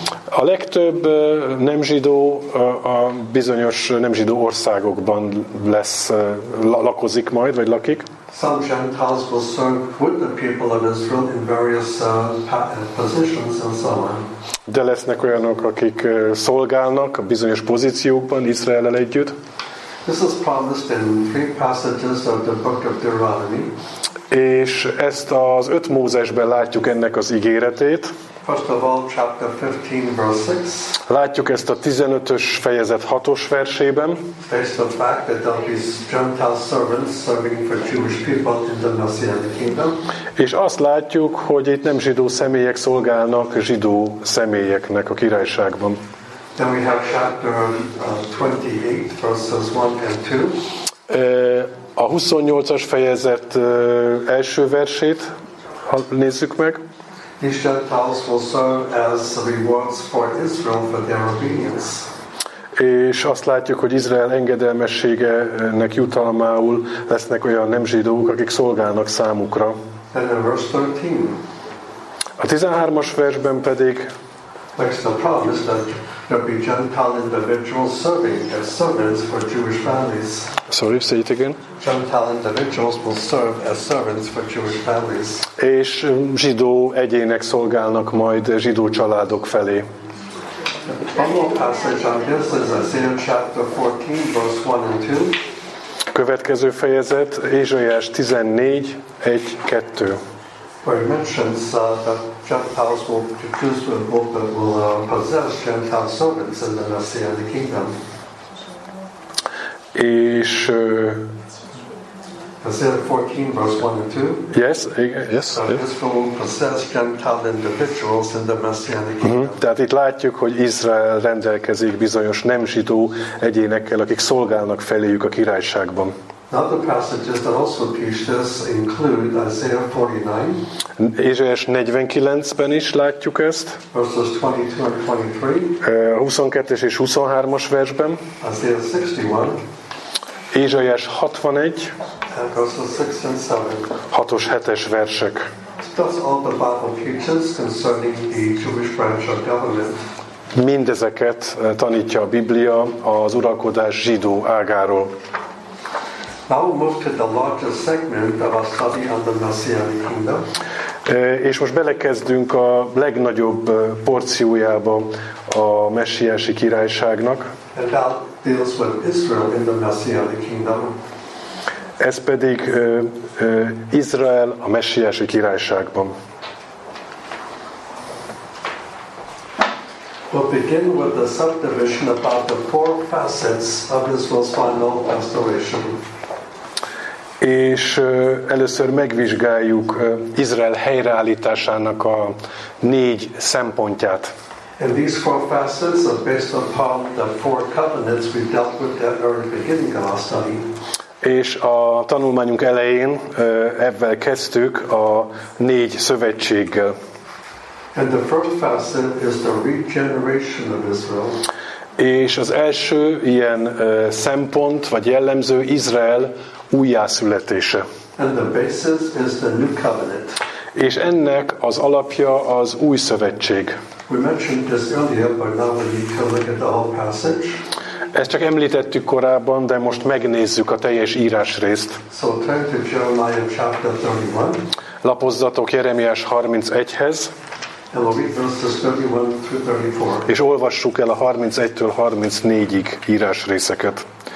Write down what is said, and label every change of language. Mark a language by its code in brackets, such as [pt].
[hu] A legtöbb nem zsidó a bizonyos nem zsidó országokban lesz, lakozik majd, vagy lakik. [en] Some Gentiles will serve with the people of Israel in various positions and so on. [hu] De lesznek olyanok, akik szolgálnak a bizonyos pozíciókban Izraellel együtt. [en] This is promised in three passages of the book of Deuteronomy. [hu] És ezt az öt Mózesben látjuk ennek az ígéretét. [en] First of all, chapter 15, verse 6. [hu] Látjuk ezt a 15-ös fejezet 6-os versében. [en] Based on the fact that there'll be Gentile servants serving for Jewish people in the Messianic kingdom. [hu] És azt látjuk, hogy itt nem zsidó személyek szolgálnak zsidó személyeknek a királyságban. [en] Then we have chapter 28, verses 1 and 2. [hu] A 28-as fejezet első versét nézzük meg. [en] These Gentiles will serve as rewards for Israel for their obedience. [hu] És azt látjuk, hogy Izrael engedelmességének jutalmául lesznek olyan nem zsidók, akik szolgálnak számukra. [en] And then verse 13. [hu] A 13-as versben pedig [en] there's the promise that there'll be Gentile individuals serving as servants for Jewish families. Sorry, say it again. Gentile individuals will serve as servants for Jewish families. [hu] És zsidó egyének szolgálnak majd zsidó családok felé. [en] One more passage on this is Isaiah chapter 14, verse 1 and 2. [hu] Következő fejezet, Ézsaiás 14:1-2. [en] Where it mentions that Gentiles will choose to invoke that will possess Gentile servants in the Messianic kingdom. [hu] És [en] Isaiah 14, verse 1 and 2. Yes. Israel will possess Gentile individuals in the Messianic kingdom. [hu] Tehát itt látjuk, hogy Izrael rendelkezik bizonyos nem zsidó egyénekkel, akik szolgálnak feléjük a királyságban. [en] Other passages that also teach this include Isaiah 49. [hu] Ézsaiás 49-ben is látjuk ezt. [en] Verses 22 and 23. [hu] 22-es és 23-as versben. [en] Isaiah 61. [hu] Ézsaiás 61. [en] Verses 6 and 7. [hu] 6-os, 7-es versek. [en] Thus all the Bible teaches concerning the Jewish branch of government. [hu] Mindezeket tanítja a Biblia az uralkodás zsidó ágáról. [en] Now we move to the largest segment of our study on the Messianic kingdom. [hu] És most belekezdünk a legnagyobb porciójába a messiási királyságnak. [en] And that deals with Israel in the Messianic kingdom. [hu] Ez pedig Izrael a messiási királyságban. [en] We'll begin with the subdivision about the four facets of Israel's final restoration. [hu] És először megvizsgáljuk Izrael helyreállításának a négy szempontját. [en] And these four facets are based upon the four covenants we dealt with at the very beginning of our study. [hu] És a tanulmányunk elején ebben kezdtük a négy szövetséggel. [en] And the first facet is the regeneration of Israel. [hu] És az első ilyen szempont vagy jellemző Izrael újjászületése. [en] And the basis is the new covenant. [hu] És ennek az alapja az új szövetség. [en] We mentioned this earlier, but now we need to look at the whole passage. [hu] Ezt csak említettük korábban, de most megnézzük a teljes írásrészt. [en] So turn to Jeremiah chapter 31. [hu] Lapozzatok Jeremiás 31-hez. [en] And we'll read verses 31-34. [hu] És olvassuk el a 31-től 34-ig írásrészeket.